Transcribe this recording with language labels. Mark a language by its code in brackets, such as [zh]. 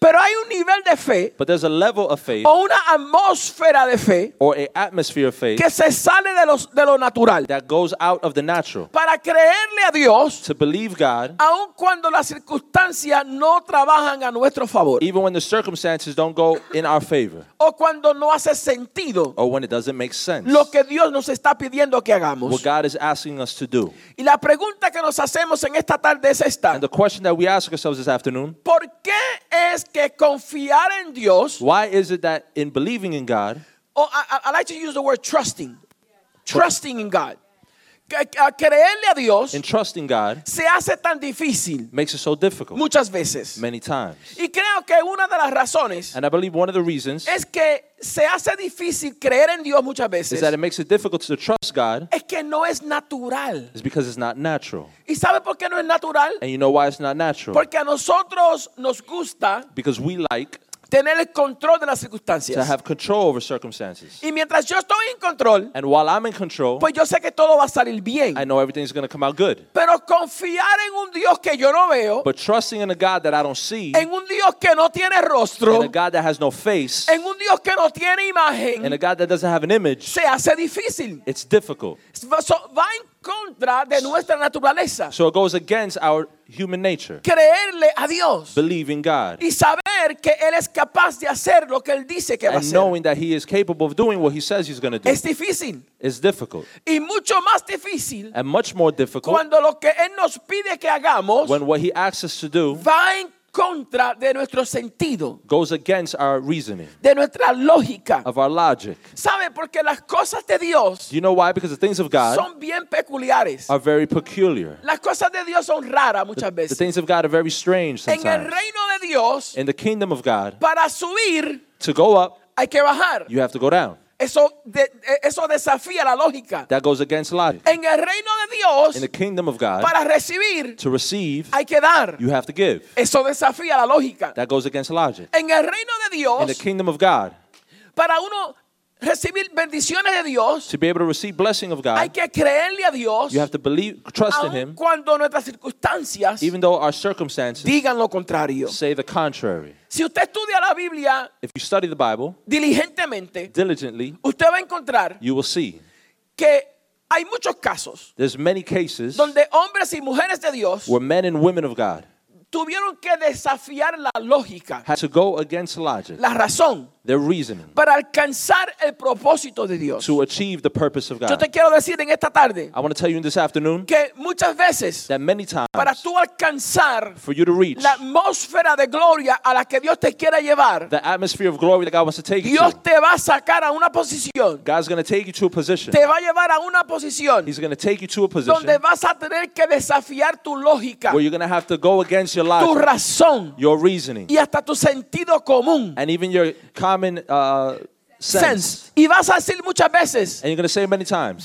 [es] Pero hay un nivel de fe. [en] But there's a level of faith. [es] O una atmósfera de fe. [en] Or an atmosphere of faith. [es] Que se sale de lo natural. [en] That goes out of the natural. [es] Para creerle a Dios. [en] To believe God. [es] Aun cuando las circunstancias no trabajan a nuestro favor. [en] Even when the circumstances don't go in our favor. [es] O cuando no hace sentido. [en] Or when it doesn't make sense. [es] Lo que Dios nos está pidiendo que hagamos. [en] What God is asking us to do. [es] Y la pregunta que nos hacemos en esta tarde. [en] And the question that we ask ourselves this afternoon, [es] ¿por qué es que confiar en Dios, [en] why is it that in believing in God, I like to use the word trusting, trusting in God, [es] creerle a Dios, [en] in trusting God, [es] se hace tan difícil, [en] makes it so difficult, [es] muchas veces, [en] many times. [es] Y creo que una de las razones, [en] and I believe one of the reasons, [es] es que se hace difícil creer en Dios muchas veces. [en] Is that it makes it difficult to trust God. [es] Es que no es natural. [en] It's because it's not natural. [es] ¿Y sabe por qué no es natural? [en] And you know why it's not natural. [es] Porque a nosotros nos gusta. [en] Because we like. [es] Tener el control de las circunstancias. [en] To have control over circumstances. [es] Y mientras yo estoy en control. [en] And while I'm in control. [es] Pues yo sé que todo va a salir bien. [en] I know everything's going to come out good. [es] Pero confiar en un Dios que yo no veo. [en] But trusting in a God that I don't see. [es] En un Dios que no tiene rostro. [en] In a God that has no face. [es] En un Dios que no tiene imagen. [en] In a God that doesn't have an image. [es] Se hace difícil. [en] It's difficult. [es] So, va en contra de nuestra naturaleza. [en] So it goes against our human nature. [es] Creerle a Dios. [en] Believing God. [es] Y saber. saber que él es capaz de hacer lo que él dice que va a hacer. [en] And knowing that he is capable of doing what he says he's going to do. [es] Es difícil. [en] It's difficult. [es] Y mucho más difícil. [en] And much more difficult. [es] Cuando lo que él nos pide que hagamos. [en] When what he asks us to do. [es] Va en contra de nuestro sentido. [en] Goes against our reasoning. [es] De nuestra lógica. [en] Of our logic. [es] ¿Sabe? Porque las cosas de Dios. [en] You know why? Because the things of God. [es] Son bien peculiares. [en] Are very peculiar. [es] Las cosas de Dios son raras muchas veces. [en] The things of God are very strange sometimes. [es] En el reino de Dios. [en] In the kingdom of God. [es] Para subir. [en] To go up. [es] Hay que bajar. [en] You have to go down. [es] Eso desafía la lógica. [en] That goes against logic. [es] En el reino de Dios. [en] In the kingdom of God. [es] Para recibir. [en] To receive. [es] Hay que dar. [en] You have to give. [es] Eso desafía la lógica. [en] That goes against logic. [es] En el reino de Dios. [en] In the kingdom of God. [es] Para uno recibir bendiciones de Dios. [en] To be able to receive blessing of God. [es] Hay que creerle a Dios. [en] You have to believe, trust in Him. [es] Cuando nuestras circunstancias. [en] Even though our circumstances. [es] Digan lo contrario. [en] Say the contrary. [es] Si usted estudia la Biblia. [en] If you study the Bible. [es] Diligentemente. [en] Diligently. [es] Usted va a encontrar. [en] You will see. [es] Que hay muchos casos. [en] There's many cases. [es] Donde hombres y mujeres de Dios. [en] Where men and women of God. [es] Tuvieron que desafiar la lógica. [en] Had to go against logic. [es] La razón. [en] Their reasoning. [es] Para alcanzar el propósito de Dios. [en] To achieve the purpose of God. [es] Yo te quiero decir en esta tarde. [en] I want to tell you in this afternoon. [es] Que muchas veces. [en] That many times. [es] Para tú alcanzar. [en] For you to reach. [es] La atmósfera de gloria a la que Dios te quiera llevar. [en] The atmosphere of glory that God wants to take [es] Dios [en] you to. [es] Dios te va a sacar a una posición. [en] God's going to take you to a position. [es] Te va a llevar a una posición. [en] He's going to take you to a position. [es] Donde vas a tener que desafiar tu lógica. [en] Where you're going to have to go against your logic. [es] Tu razón. [en] Your reasoning. [es] Y hasta tu sentido común. [en] And even your common sense. [es] Y vas a decir muchas veces, [en] and you're going to say it many times.